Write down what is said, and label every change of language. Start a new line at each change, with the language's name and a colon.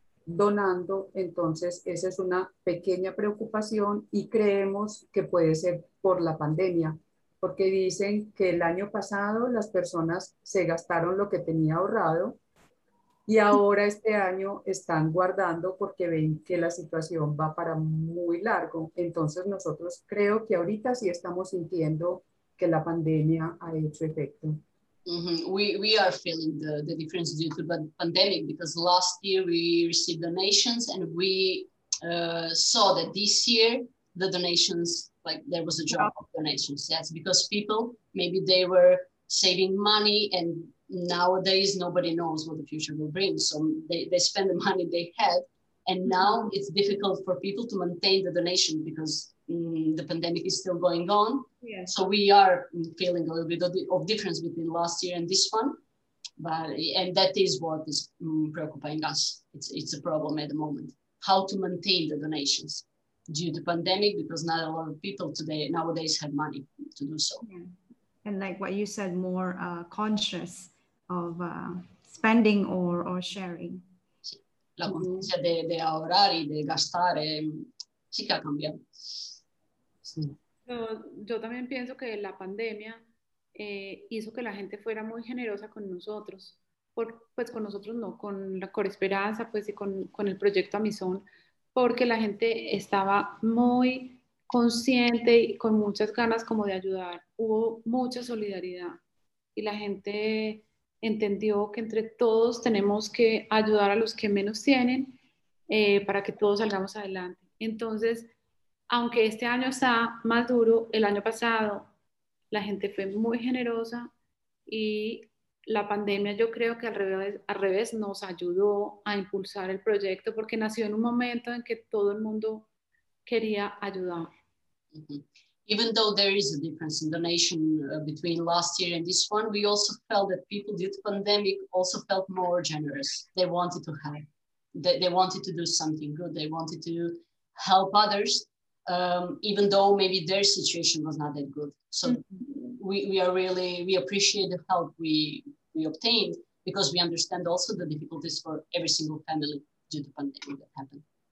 Spanish: donando, entonces esa es una pequeña preocupación y creemos que puede ser por la pandemia, porque dicen que el año pasado las personas se gastaron lo que tenía ahorrado y ahora este año están guardando porque ven que la situación va para muy largo. Entonces nosotros creo que ahorita sí estamos sintiendo que la pandemia ha hecho efecto. Mm-hmm.
English: We are feeling the difference due to the pandemic, because last year we received donations and we saw that this year the donations, like there was a drop of donations. Yes, because people, maybe they were saving money and nowadays nobody knows what the future will bring. So they spend the money they had and now it's difficult for people to maintain the donation because the pandemic is still going on. Yes. So we are feeling a little bit of difference between last year and this one. And that is what is preoccupying us. It's a problem at the moment. How to maintain the donations due to pandemic, because not a lot of people today nowadays have money to do so. Yeah. And like what you said, more conscious of spending or sharing.
Spanish: Sí. La conciencia de ahorrar y de gastar sí que ha cambiado. Sí. Yo también pienso que la pandemia hizo que la gente fuera muy generosa con nosotros, con la Core Esperanza, pues, y con el proyecto Amizón, porque la gente estaba muy consciente y con muchas ganas como de ayudar. Hubo mucha solidaridad y la gente entendió que entre todos tenemos que ayudar a los que menos tienen para que todos salgamos adelante. Entonces, aunque este año está más duro, el año pasado la gente fue muy generosa y la pandemia yo creo que al revés nos ayudó a impulsar el proyecto porque nació en un momento en que todo el mundo quería ayudar. Mm-hmm.
English: Even though there is a difference in donation between last year and this one, we also felt that people due to pandemic also felt more generous. They wanted to help. They wanted to do something good. They wanted to help others. Even though maybe their situation was not that good. So we are really, we appreciate the help we obtained because we understand also the difficulties for every single family due to the pandemic that happened.